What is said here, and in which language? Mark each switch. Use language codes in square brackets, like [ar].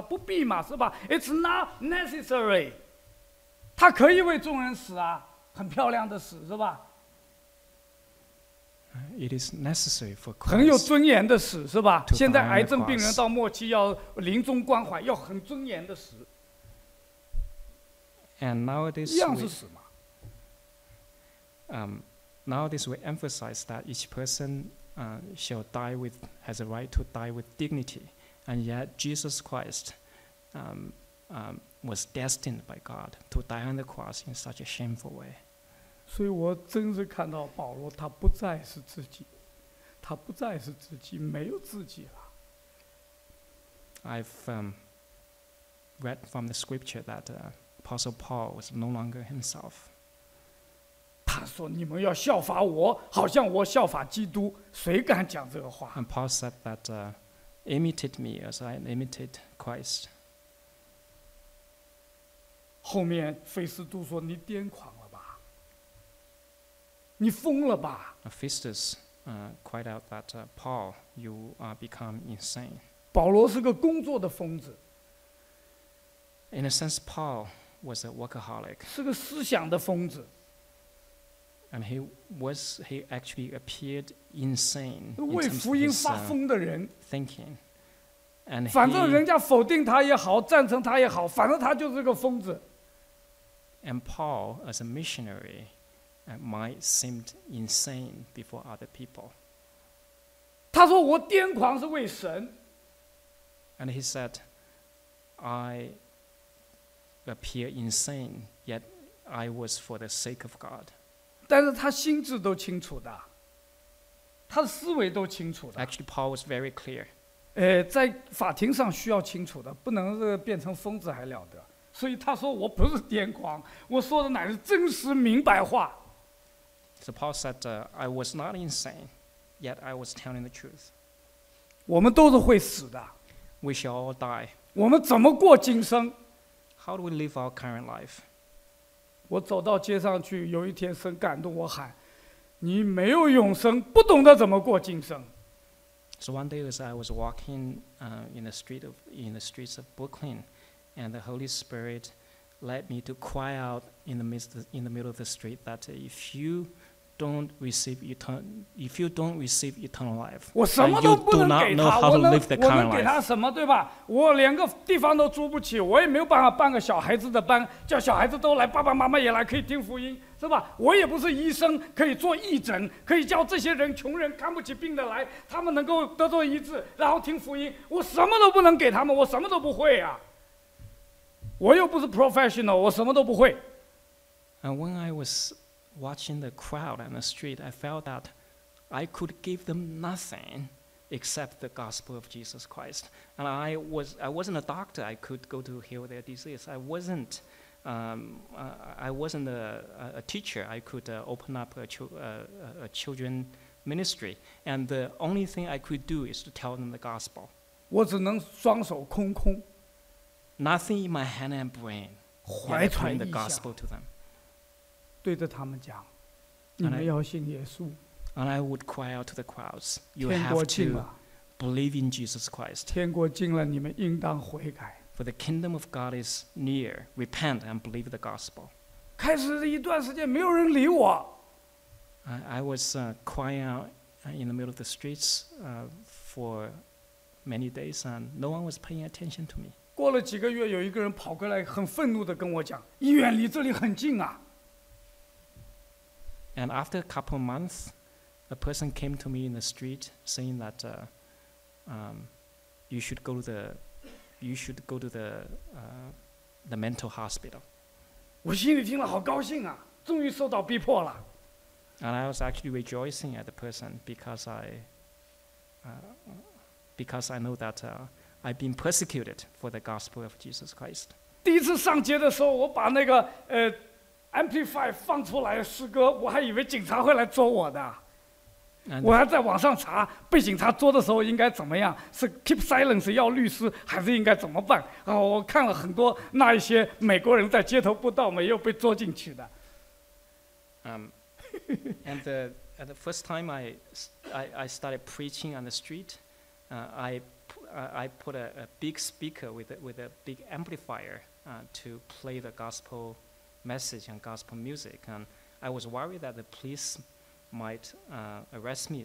[zh] 不必嘛是吧? [en] It's not necessary. [zh] 他可以为众人死啊, 很漂亮的死是吧? [en] It is necessary for Christ. [zh] 很有尊严的死是吧? 现在癌症病人到末期要临终关怀, 要很尊严的死。 [en] And nowadays we emphasize that each person has a right to die with dignity, and yet Jesus Christ was destined by God to die on the cross in such a shameful way. [zh] 所以我真是看到保罗他不再是自己,他不再是自己,没有自己了。 [en] I've read from the scripture that Apostle Paul was no longer himself. [zh] 他说你们要效法我，好像我效法基督，谁敢讲这个话？ [en] And Paul said that imitate me as I imitate Christ. [zh] 后面菲斯都说你癫狂了吧，你疯了吧。 [en] Festus cried out that Paul, you are become insane. [zh] 保罗是个工作的疯子。 [en] In a sense, Paul was a workaholic. [zh] 是个思想的疯子。 [en] And he actually appeared insane. [zh] 为福音发疯的人。 [en] Thinking. And [zh] 反正人家否定他也好，赞成他也好，反正他就是个疯子。 [en] And Paul, as a missionary, might seem insane before other people. [zh] 他说我癫狂是为神。 [en] And he said, I appear insane, yet I was for the sake of God. [zh] 但是他心智都清楚的，他的思维都清楚的。 [en] Actually, Paul was very clear. [zh] 在法庭上需要清楚的，不能是变成疯子还了得。所以他说：“我不是癫狂，我说的乃是真实明白话。” [en] So Paul said, "I was not insane, yet I was telling the truth." [zh] 我们都是会死的。 [en] We shall all die. [zh] 我们怎么过今生 [en] ？How do we live our current life? [zh] 我走到街上去，有一天神感动我喊：“你没有永生，不懂得怎么过今生。” [en] So one day as I was walking in the streets of Brooklyn, and the Holy Spirit led me to cry out in the middle of the street that if you don't receive eternal life, you do not know how to live the current life. [zh] 我能给他什么，对吧？我连个地方都租不起，我也没有办法办个小孩子的班，叫小孩子都来，爸爸妈妈也来，可以听福音，是吧？我也不是医生，可以做义诊，可以叫这些人穷人看不起病的来，他们能够得到医治，然后听福音。我什么都不能给他们，我什么都不会啊！我又不是 professional， 我什么都不会。 [en] And when I was watching the crowd on the street, I felt that I could give them nothing except the gospel of Jesus Christ. And I wasn't a doctor. I could go to heal their disease. I wasn't a teacher. I could open up a children ministry. And the only thing I could do is to tell them the gospel. [zh] 我只能双手空空。 [en] Nothing in my hand and brain could bring the gospel to them. [zh] 对着他们讲，你们要信耶稣。 [en] And I would cry out to the crowds, "You have to believe in Jesus Christ." [zh] 天国近了，你们应当悔改。 [en] For the kingdom of God is near. Repent and believe the gospel. [zh] 开始一段时间，没有人理我。 [en] I was crying out in the middle of the streets for many days, and no one was paying attention to me. [zh] 过了几个月，有一个人跑过来，很愤怒地跟我讲：“医院离这里很近啊。” [en] And after a couple of months, a person came to me in the street saying that you should go to the mental hospital. [zh] 我心里听了好高兴啊，终于受到逼迫了。 [en] And I was actually rejoicing at the person because I know that I've been persecuted for the gospel of Jesus Christ. [zh] 第一次上街的时候，我把那个Amplify 放出来诗歌，我还以为警察会来捉我的。 [en] And、 [zh] 我还在网上查被警察捉的时候应该怎么样，是 [en] keep silence [zh] 要律师，还是应该怎么办？然后我看了很多那一些美国人在街头布道没有被捉进去的。 [en] And the first time I started preaching on the street, I put a big speaker with a big amplifier to play the gospel. Message and gospel music, and I was worried that the police might arrest me.